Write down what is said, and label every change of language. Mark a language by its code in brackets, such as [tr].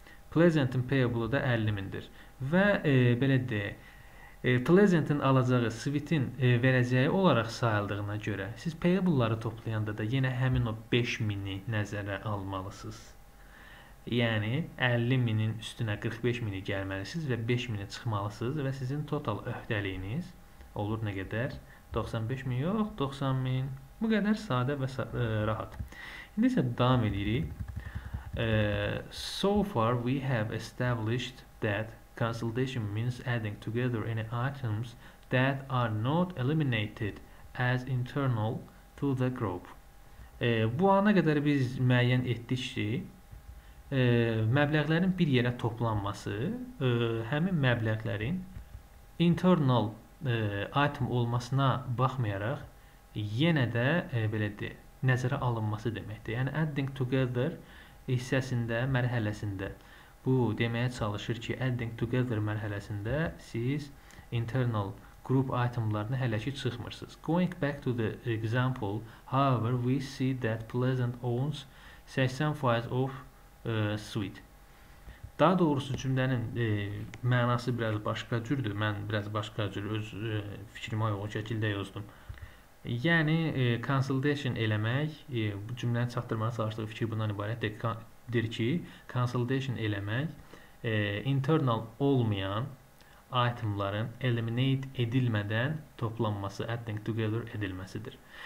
[az] Pleasant-in payable-ı da 50,000-dir. Və belə deyək, Pleasant-in alacağı Sweet-in verəcəyi olaraq sayıldığına görə siz payable-ları toplayanda da yenə həmin o 5,000-i nəzərə almalısınız. Yəni, 50,000-in üstünə 45,000-i gəlməlisiniz və 5,000-i çıxmalısınız və sizin total öhdəliyiniz olur nə qədər? 95,000 yox, 90,000. Bu qədər sadə və rahat. İndi isə davam edirik. [en] So far we have established that consultation means adding together any items that are not eliminated as internal to the group. [az] Bu ana qədər biz müəyyən etdik ki, məbləğlərin bir yerə toplanması həmin məbləğlərin internal item olmasına baxmayaraq yenə də belə deyək, nəzərə alınması deməkdir. Yəni adding together hissəsində, mərhələsində bu deməyə çalışır ki, adding together mərhələsində siz internal group itemlarını hələ ki çıxmırsınız. [en] Going back to the example, however, we see that Pleasant owns 80% of sweet. [az] Daha doğrusu cümlənin mənası biraz başqa cürdür. Mən biraz başqa cür öz fikrimi uyğun şəkildə yazdım. Yəni consultation eləmək, bu cümləni çatdırmağa çalışdığı fikir bundan ibarətdir ki, consultation eləmək internal olmayan itemların eliminate edilmədən toplanması, adding together edilməsidir.